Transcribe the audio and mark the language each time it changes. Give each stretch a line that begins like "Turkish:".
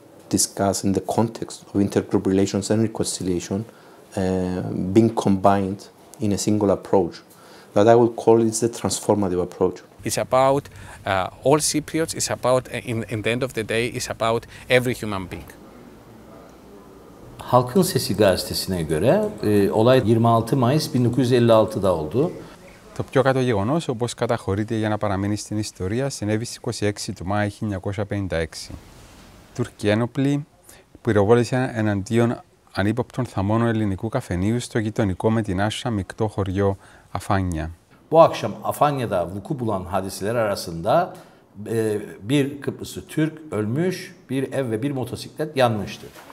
English: discussed in the context of intergroup relations and reconciliation being combined in a single approach that I would call it the transformative approach. It's about all Cypriots, it's about, in the end of the day, it's about every human being.
Turkish: Halkın Sesi gazetesine göre olay 26 Mayıs 1956'da oldu.
Greek: Το πιο κάτω γεγονός, όπως καταχωρείται για να παραμείνει στην ιστορία, συνέβη στις 26 του Μάη 1956. Τούρκοι ένοπλοι πυροβόλησαν εναντίον ανύποπτων θαμών ελληνικού καφενείου στο γειτονικό με την Άσσα μεικτό χωριό Αφάνια.
Turkish: Bu akşam Afanya'da vuku bulan hadiseler arasında bir Kıbrıslı Türk ölmüş, bir ev ve bir motosiklet yanmıştı.